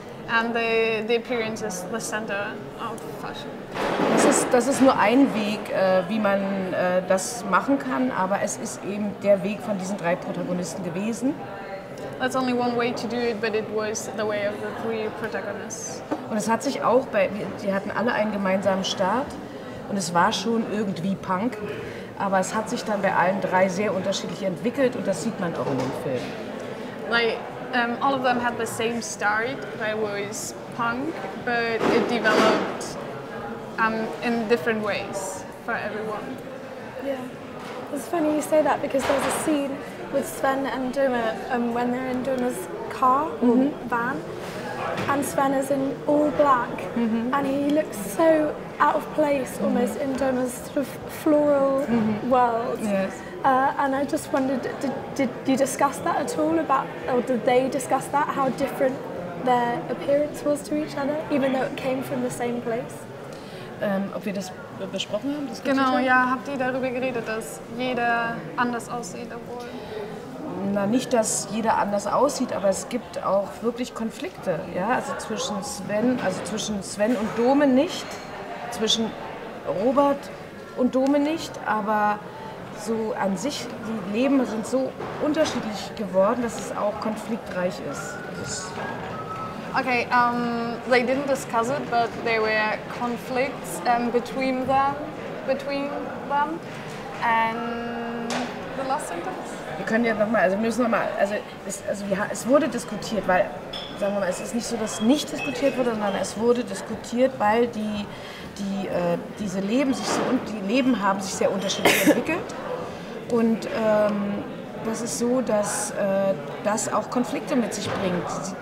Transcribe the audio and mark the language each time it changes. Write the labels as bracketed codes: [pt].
[en] And the appearance is the center of fashion. [de] Das ist nur ein Weg, wie man das machen kann, aber es ist eben der Weg von diesen drei Protagonisten gewesen. [en] That's only one way to do it, but it was the way of the three protagonists. [de] Und es hat sich auch bei, die hatten alle einen gemeinsamen Start, und es war schon irgendwie Punk, aber es hat sich dann bei allen drei sehr unterschiedlich entwickelt, und das sieht man auch in dem Film. [en] Like, all of them had the same start, that was Punk, but it developed in different ways for everyone. Yeah. It's funny you say that, because there's a scene with Sven and Duma when they're in Duma's car or van. And Sven is in all black, and he looks so out of place almost in Doma's sort of floral world. Yes. And I just wondered, did you discuss that at all about, or did they discuss that, how different their appearance was to each other, even though it came from the same place? [de] Ob wir das besprochen haben? Das genau, ja, habt ihr darüber geredet, dass jeder anders aussieht, obwohl... Na, nicht, dass jeder anders aussieht, aber es gibt auch wirklich Konflikte, ja, also zwischen Sven und Dome nicht, zwischen Robert und Dome nicht, aber so an sich, die Leben sind so unterschiedlich geworden, dass es auch konfliktreich ist. [en] Okay, they didn't discuss it, but there were conflicts between them, and the last sentence? [de] Wir können ja nochmal, also wir müssen nochmal, es wurde diskutiert, weil, sagen wir mal, es ist nicht so, dass nicht diskutiert wurde, sondern es wurde diskutiert, weil die Leben haben sich sehr unterschiedlich entwickelt. Und das ist so, dass das auch Konflikte mit sich bringt.